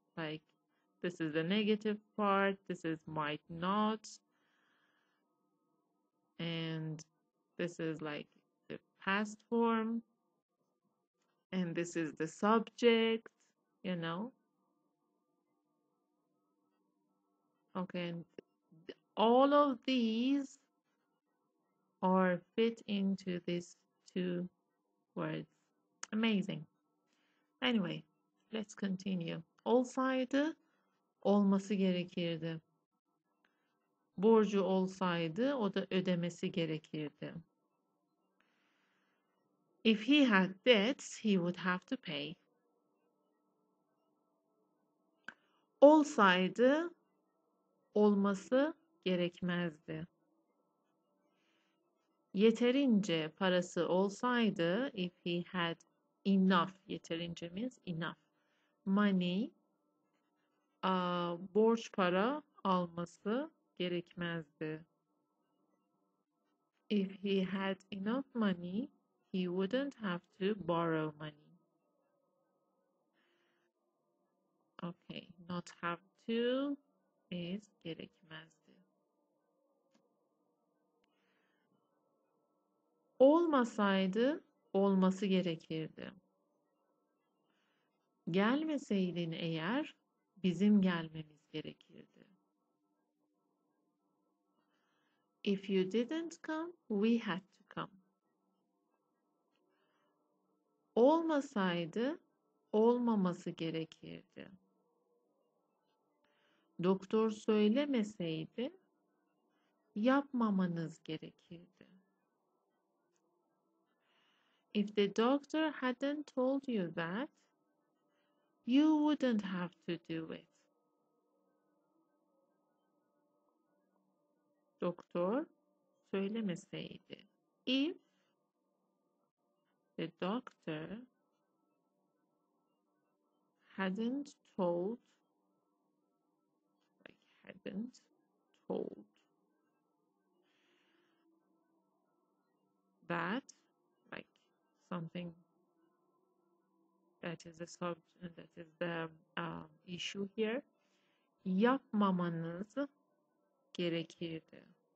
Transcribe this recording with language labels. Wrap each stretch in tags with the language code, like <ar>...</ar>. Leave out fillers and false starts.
<en>Like this is the negative part, this is might not, and this is like the past form, and this is the subject, you know. Okay, and all of these or fit into these two words. Amazing. Anyway, let's continue.</en> <tr>Olsaydı, olması gerekirdi. Borcu olsaydı, o da ödemesi gerekirdi.</tr> <en>If he had debts, he would have to pay.</en> <tr>Olsaydı, olması gerekmezdi. Yeterince parası olsaydı,</tr> <en>if he had enough,</en> <tr>yeterince</tr> <en>means enough.</en> <tr>Money, borç para alması gerekmezdi.</tr> <en>If he had enough money, he wouldn't have to borrow money. Okay, not have to is</en> <tr>gerekmezdi. Olmasaydı, olması gerekirdi. Gelmeseydin eğer, bizim gelmemiz gerekirdi.</tr> <en>If you didn't come, we had to come.</en> <tr>Olmasaydı, olmaması gerekirdi. Doktor söylemeseydi, yapmamanız gerekirdi.</tr> <en>If the doctor hadn't told you that, you wouldn't have to do it.</en> <tr>Doktor söylemeseydi.</tr> <en>If the doctor hadn't told, like hadn't told that, like something that is a subject, that is the issue here,</en> <tr>yapmamanız gerekirdi.</tr>